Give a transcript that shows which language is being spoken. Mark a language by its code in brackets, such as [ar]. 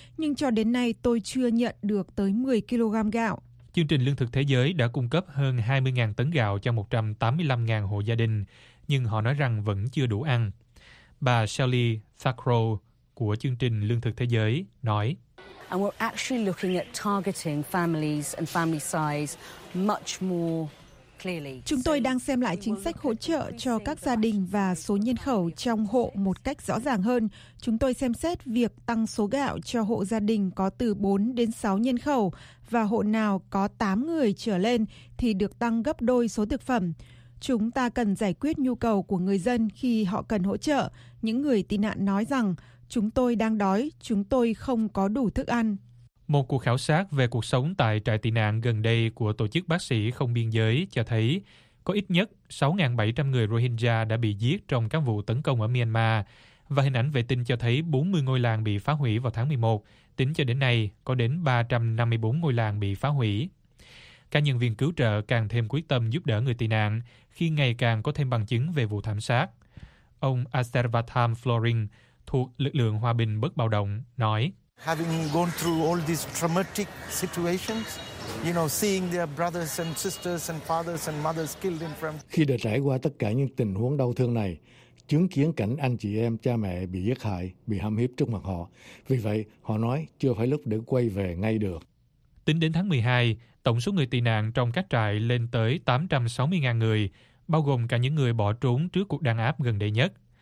[vi] Nhưng cho đến nay tôi chưa nhận được tới 10 kg gạo. Chương trình Lương thực Thế giới đã cung cấp hơn 20.000 tấn gạo cho 185.000 hộ gia đình, nhưng họ nói rằng vẫn chưa đủ ăn. Bà Shelley Thackrow của chương trình Lương thực Thế giới nói. [en] And we're actually looking at targeting families and family size much more. [vi] Chúng tôi đang xem lại chính sách hỗ trợ cho các gia đình và số nhân khẩu trong hộ một cách rõ ràng hơn. Chúng tôi xem xét việc tăng số gạo cho hộ gia đình có từ 4 đến 6 nhân khẩu và hộ nào có 8 người trở lên thì được tăng gấp đôi số thực phẩm. Chúng ta cần giải quyết nhu cầu của người dân khi họ cần hỗ trợ. Những người tị nạn nói rằng, chúng tôi đang đói, chúng tôi không có đủ thức ăn. Một cuộc khảo sát về cuộc sống tại trại tị nạn gần đây của Tổ chức Bác sĩ Không Biên Giới cho thấy có ít nhất 6.700 người Rohingya đã bị giết trong các vụ tấn công ở Myanmar, và hình ảnh vệ tinh cho thấy 40 ngôi làng bị phá hủy vào tháng 11. Tính cho đến nay, có đến 354 ngôi làng bị phá hủy. Các nhân viên cứu trợ càng thêm quyết tâm giúp đỡ người tị nạn khi ngày càng có thêm bằng chứng về vụ thảm sát. Ông Aservatham Florin thuộc Lực lượng Hòa bình Bất Bạo Động nói. [en] Having gone through all these traumatic situations, you know, seeing their brothers and sisters and fathers and mothers killed in front. [vi] Khi đã trải qua tất cả những tình huống đau thương này, chứng kiến cảnh anh chị em, cha mẹ bị giết hại, bị hãm hiếp trước mặt họ. Vì vậy, họ nói chưa phải lúc để quay về ngay được. Tính đến tháng 12, tổng số người tị nạn trong các trại lên tới 860.000 người, bao gồm cả những người bỏ trốn trước cuộc đàn áp gần đây nhất.